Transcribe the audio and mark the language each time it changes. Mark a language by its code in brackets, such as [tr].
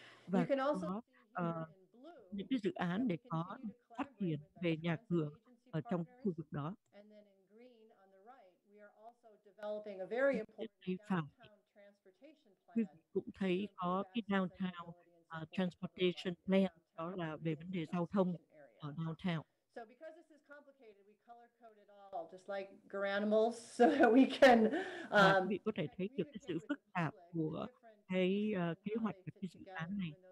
[vi] Và [en] you can also [vi] có, những cái dự án để có phát triển về nhà cửa ở trong khu vực đó. [en] And then in green on the right, we are also developing a very important downtown transportation plan. [vi] Cũng thấy có cái downtown transportation plan, đó là về vấn đề giao thông ở downtown. [en] So because this is complicated, we color code it all just like your animals so that we can [vi] vị có thể thấy được cái sự phức tạp của cái kế hoạch của cái dự án này.